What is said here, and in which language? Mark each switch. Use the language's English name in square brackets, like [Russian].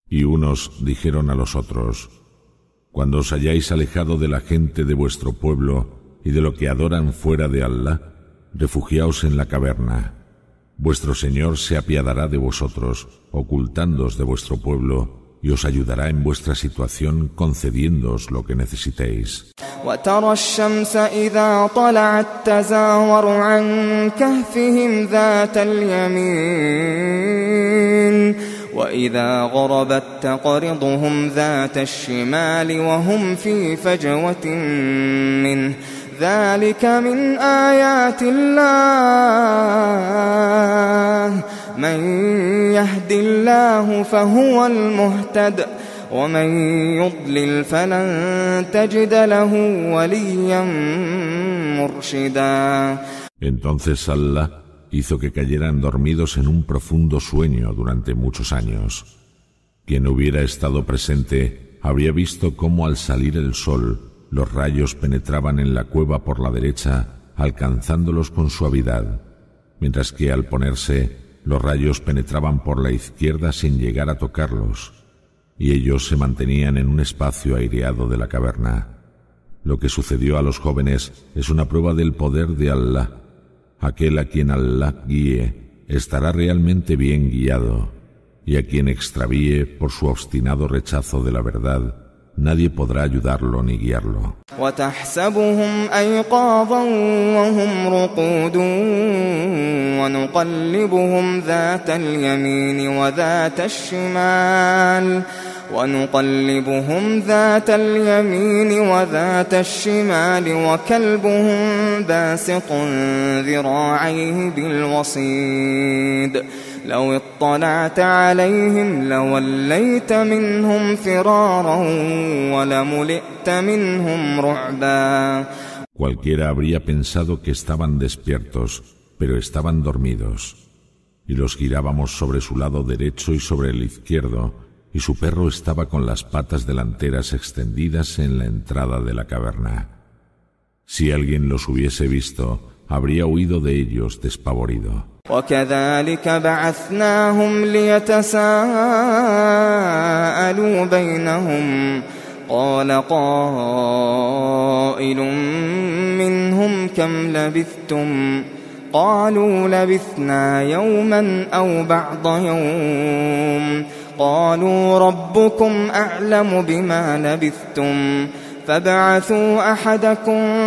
[Spanish] Y unos dijeron a los otros: Cuando os hayáis alejado de la gente de vuestro pueblo y de lo que adoran fuera de Allah, refugiaos en la caverna. Vuestro Señor se apiadará de vosotros, ocultándoos de vuestro pueblo, y os ayudará en vuestra situación concediéndoos lo que necesitéis. [Arabic] وترى الشمس إذا طلعت تزاور عن كهفهم ذات اليمين وإذا غربت تقرضهم ذات الشمال وهم في فجوة منه ذلك من آيات الله من يهد الله فهو المهتد ومن يضلل فلن تجد له وليا مرشدا. [Spanish] Entonces Allah hizo que cayeran dormidos en un profundo sueño durante muchos años. Quien hubiera estado presente habría visto cómo al salir el sol los rayos penetraban en la cueva por la derecha, alcanzándolos con suavidad, mientras que al ponerse los rayos penetraban por la izquierda sin llegar a tocarlos, y ellos se mantenían en un espacio aireado de la caverna. Lo que sucedió a los jóvenes es una prueba del poder de Allah. Aquel a quien Allah guíe estará realmente bien guiado, y a quien extravíe por su obstinado rechazo de la verdad, nadie podrá ayudarlo ni guiarlo. [Arabic] وتحسبهم أيقاظا وهم رقود ونقلبهم ذات اليمين وذات الشمال وكلبهم باسط ذراعيه بالوصيد لو اطلعت عليهم لوليت منهم فرارا ولملئت منهم رعبا. [Spanish] Cualquiera habría pensado que estaban despiertos, pero estaban dormidos. Y los girábamos sobre su lado derecho y sobre el izquierdo, y su perro estaba con las patas delanteras extendidas en la entrada de la caverna. Si alguien los hubiese visto, habría huido de ellos despavorido. [Arabic] وكذلك بعثناهم ليتساءلوا بينهم قال قائل منهم كم لبثتم قالوا لبثنا يوما أو بعض يوم قالوا ربكم أعلم بما لبثتم فابعثوا أحدكم